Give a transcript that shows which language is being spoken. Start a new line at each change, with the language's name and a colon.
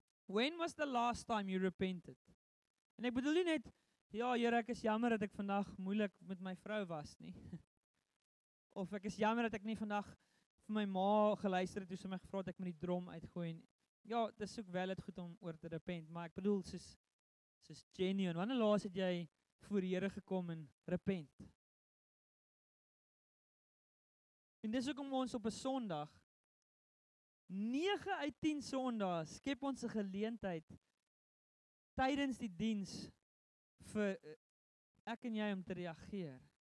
English: When was the last time you repented?
Afrikaans: En ek bedoel nie net, ja, Here, ek is jammer dat ek vandag moeilik met my vrou was nie. Of ek is jammer dat ek nie vandag vir my ma geluister het, toe sy my gevra het ek met die drom uitgooi. En, ja, dis ook wel het goed om oor te repent, maar ek bedoel, soos genuine. Wanneer laas het jy voor Here gekom en repent? En dis ook om ons op 'n Sondag, 9 uit 10 Sondag, skep ons 'n geleentheid tydens die diens vir ek en jy om te reageer.